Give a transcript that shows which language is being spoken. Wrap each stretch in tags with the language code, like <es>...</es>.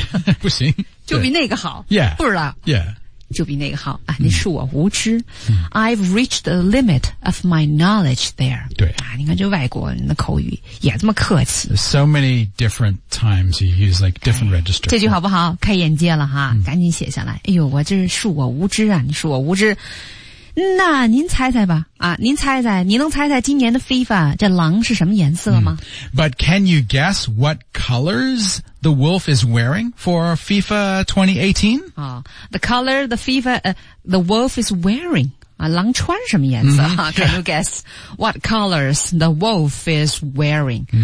<zh>恕我无知,你看这句话,恕我无知,就比那个,我不知道。对,不行。就比那个好。</zh> <en>Yeah.</en> <zh>不知道。</zh> <en>Yeah.</en> <zh>就比那个好,你恕我无知。</zh> <en>I've reached the limit of my knowledge there.</en> <zh>对。你看这外国人的口语,也这么客气。</zh> <en>There's so many different times you use like different registers.</en> <zh>这句好不好?开眼界了哈,赶紧写下来。哎呦,我这是恕我无知啊,你恕我无知。那您猜猜吧，啊，您猜猜，你能猜猜今年的 FIFA 这狼是什么颜色吗？</zh> <en>But can you guess what colors the wolf is wearing for FIFA 2018? The color the wolf is wearing.</en> <zh>啊，狼穿什么颜色？</zh> <en>Can you guess what colors the wolf is wearing?</en>